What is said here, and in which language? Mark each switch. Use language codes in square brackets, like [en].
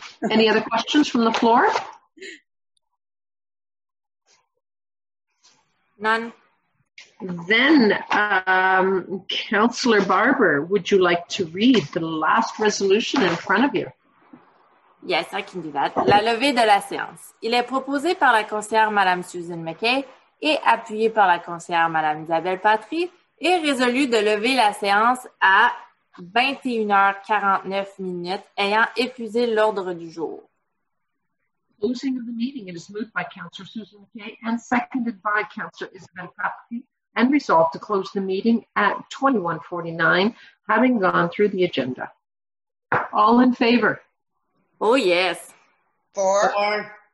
[en] Any other questions from the floor? None. Then, Councillor Barber, would you like to read the last resolution in front of you? Yes, I can do that. [fr] La levée de la séance. Il est proposé par la conseillère Madame Susan McKay et appuyé par la conseillère Madame Isabelle Patry et résolu de lever la séance à 21h49 ayant épuisé l'ordre du jour. [en] Closing of the meeting, it is moved by Councillor Susan McKay and seconded by Councillor Isabelle Patry and resolved to close the meeting at 21:49, having gone through the agenda. All in favor? Oh, yes. Four.